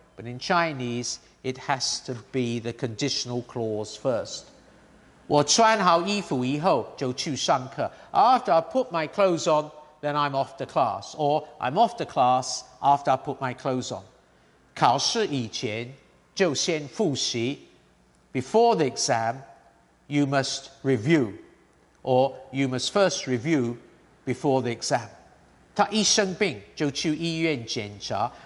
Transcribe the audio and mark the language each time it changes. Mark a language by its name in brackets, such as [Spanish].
[English] But in Chinese, it has to be the conditional clause first. [Chinese] 我穿好衣服以后就去上课. [English] After I put my clothes on, then I'm off to class. Or I'm off to class after I put my clothes on. [Chinese] 考试以前就先复习. [English] Before the exam, you must review. Or you must first review before the exam. [Chinese] 他一生病就去医院检查.